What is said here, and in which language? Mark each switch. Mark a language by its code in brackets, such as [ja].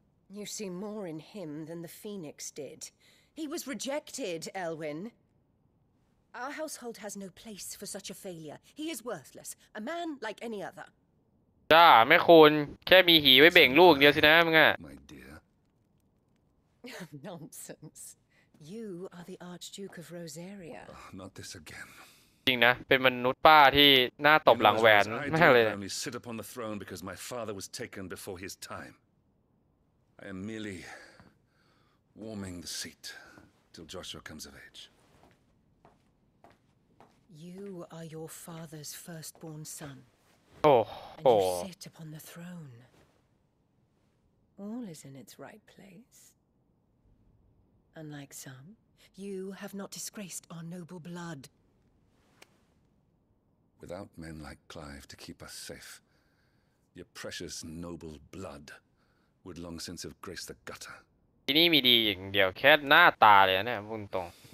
[en] you see more in him than the phoenix did he was rejected elwyn our household has no place for such a failure he is worthless a man like any other [th] จ้าไม่คุณแค่มีหีไว้เบ่งลูกเดียวสินะมึงอ่ะ [en] my dear nonsense you are the archduke of rosaria oh, not this again [th] จริงนะเป็นมนุษย์ป้าที่หน้าตบหลังแหวนแม่เลยนะ [en] I only sit upon the throne because my father was taken before his time. I am merely warming the seat till Joshua comes of age. You are your father's firstborn son. Oh, oh. And you sit upon the throne. All is in its right place. Unlike some, you have not disgraced our noble blood. Without men like Clive to keep us safe, your precious noble blood would long since have graced the gutter. [th] ที่นี่มีดีอย่างเดียวแค่หน้าตาเลยนะพูดตรง